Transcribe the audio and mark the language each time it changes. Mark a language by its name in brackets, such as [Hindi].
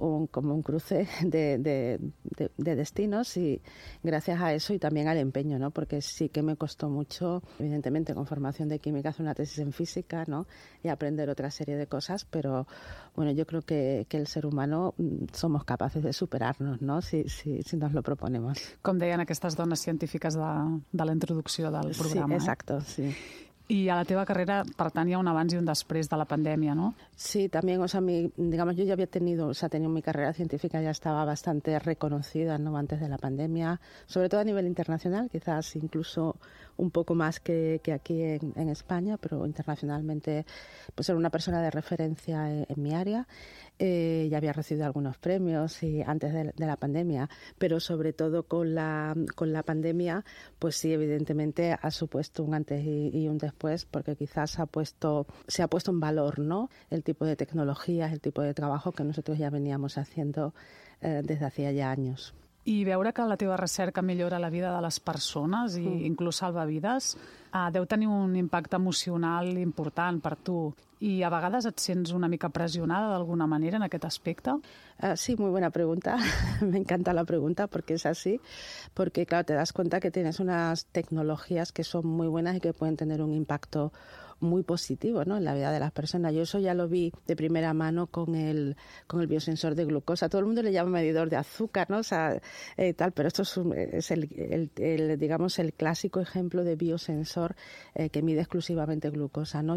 [Spanish] como un cruce de destinos, y gracias a eso y también al empeño, ¿no?, porque sí que me costó mucho, evidentemente, con formación de química, hacer una tesis en física, ¿no?, y aprender otra serie de cosas, pero bueno, yo creo que el ser humano somos capaces de superarnos, ¿no?, si nos lo proponemos. [Catalan] Com deien aquestes dones científiques de la introducció del programa. [Spanish] Sí, exacto, eh? Sí. [Catalan] Y a la teva carrera, per tant, hi ha un abans i un després de la pandèmia, no? [Spanish] Sí, también, o sea, yo ya había tenido, o sea, tenía mi carrera científica, ya estaba bastante reconocida, ¿no?, antes de la pandemia, sobre todo a nivel internacional, quizás incluso un poco más que aquí en España, pero internacionalmente, pues era una persona de referencia en mi área. Ya había recibido algunos premios y antes de la pandemia, pero sobre todo con la pandemia, pues sí, evidentemente ha supuesto un antes y un después, porque quizás se ha puesto en valor, ¿no?, el tipo de tecnologías, el tipo de trabajo que nosotros ya veníamos haciendo desde hacía ya años. [Catalan] I veure que la teva recerca millora la vida de les persones i inclús salva vides deu tenir un impacte emocional important per tu. I a vegades et sents una mica pressionada d'alguna manera en aquest aspecte? [Spanish] Sí, muy buena pregunta. Me encanta la pregunta porque es así. Porque, claro, te das cuenta que tienes unas tecnologías que son muy buenas y que pueden tener un impacto muy positivo, ¿no?, en la vida de las personas. Yo eso ya lo vi de primera mano con el biosensor de glucosa. Todo el mundo le llama medidor de azúcar, ¿no? O sea, tal, pero esto es el clásico ejemplo de biosensor que mide exclusivamente glucosa, ¿no?